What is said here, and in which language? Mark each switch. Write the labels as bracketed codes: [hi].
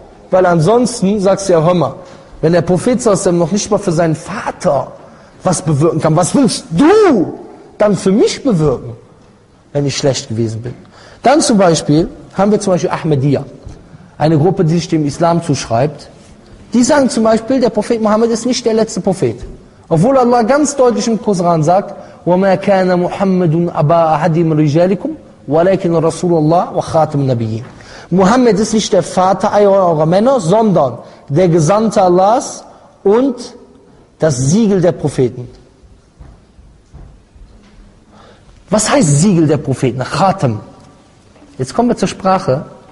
[de] Weil ansonsten, sagst du ja, hör mal, wenn der Prophet noch nicht mal für seinen Vater was bewirken kann, was willst du dann für mich bewirken, wenn ich schlecht gewesen bin? Dann zum Beispiel haben wir zum Beispiel Ahmadiyya, eine Gruppe, die sich dem Islam zuschreibt. Die sagen zum Beispiel, der Prophet Mohammed ist nicht der letzte Prophet. Obwohl Allah ganz deutlich im Koran sagt, [ar] وَمَا كَانَ مُحَمَّدٌ أَبَا أَحَدٍ مِنْ رِجَالِكُمْ وَلَكِنْ رَسُولُ اللَّهِ وَخَاتِمُ النَّبِيِّينَ. [de] Mohammed ist nicht der Vater eurer Männer, sondern der Gesandte Allahs und das Siegel der Propheten. Was heißt Siegel der Propheten? Khatam. Jetzt kommen wir zur Sprache.